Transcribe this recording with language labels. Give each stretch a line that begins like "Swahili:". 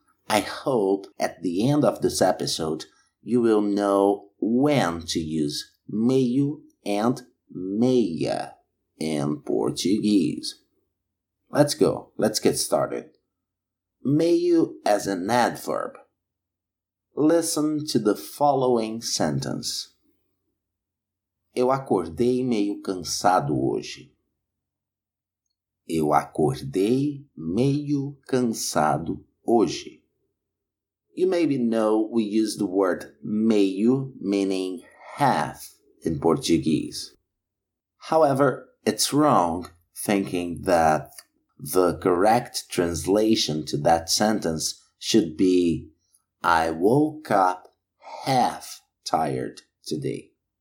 English: I hope at the end of this episode, you will know when to use meio and meia in Portuguese. Let's go. Let's get started. Meio as an adverb. Listen to the following sentence.
Portuguese: Eu acordei meio cansado hoje. Eu acordei meio cansado hoje.
English: You maybe know we use the word meio, meaning half, in Portuguese. However, it's wrong thinking that the correct translation to that sentence should be I woke up half tired today.